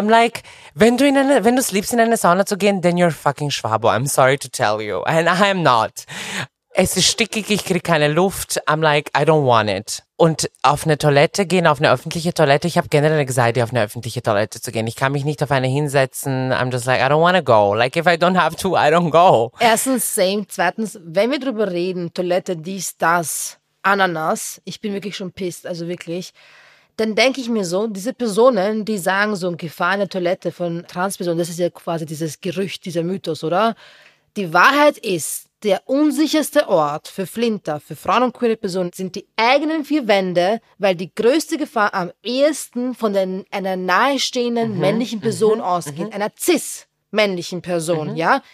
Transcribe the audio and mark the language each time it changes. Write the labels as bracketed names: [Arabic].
[English] I'm like, [German] wenn du es liebst, in eine Sauna zu gehen, [English] then you're fucking Schwabo. I'm sorry to tell you. And I am not. [German] Es ist stickig, ich kriege keine Luft. [English] I'm like, I don't want it. [German] Und auf eine Toilette gehen, auf eine öffentliche Toilette. Ich habe generell Anxiety, auf eine öffentliche Toilette zu gehen. Ich kann mich nicht auf eine hinsetzen. [English] I'm just like, I don't want to go. Like, if I don't have to, I don't go. [German] Erstens, same. Zweitens, wenn wir drüber reden, Toilette, dies, das, Ananas, ich bin wirklich schon pissed, also wirklich. Dann denke ich mir so, diese Personen, die sagen so, Gefahr in der Toilette von Transpersonen, das ist ja quasi dieses Gerücht, dieser Mythos, oder? Die Wahrheit ist, der unsicherste Ort für Flinter, für Frauen und queere Personen, sind die eigenen 4 Wände, weil die größte Gefahr am ehesten von einer nahestehenden männlichen Person ausgeht, einer cis-männlichen Person. Ja?